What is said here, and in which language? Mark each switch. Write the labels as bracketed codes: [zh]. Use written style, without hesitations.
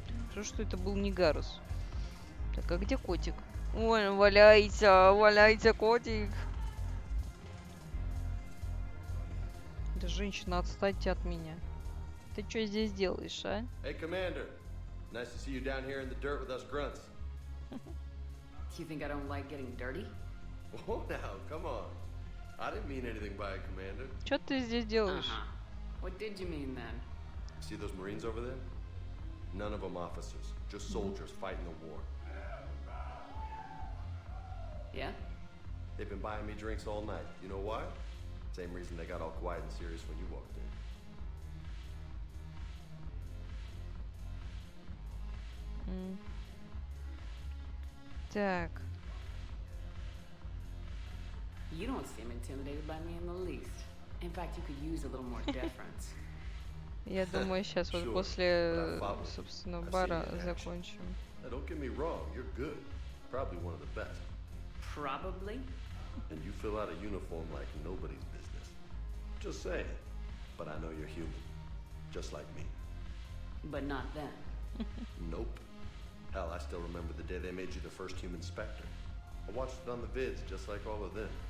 [ru] Хорошо, что это был не Гарус. Так, а где котик? Ой, валяйся, валяйся, котик. Да, женщина, отстаньте от меня. Ты что здесь делаешь, а? Эй, командир! [en] Nice to see you down here in the dirt with us grunts. You think I don't like getting dirty? Oh, now, come on. I didn't mean anything by it, Commander. [ru] Что ты здесь делаешь? [en] What did you mean, then? See those Marines over there? None of them officers. Just soldiers fighting the war. Yeah? They've been buying me drinks all night. You know why? Same reason they got all quiet and serious when you walked in. [ru] Так. [en] You don't seem intimidated by me in the least. In fact, you could use a little more deference. [ru] Я думаю, сейчас вот после, собственно, бара закончим. [en] Don't get me wrong, you're good. Probably one of the best. Probably? And you fill out a uniform like nobody's business. Just saying. But I know you're human. Just like me. But not then. Nope. Hell, I still remember the day they made you the first human specter. I watched it on the vids, just like all of them.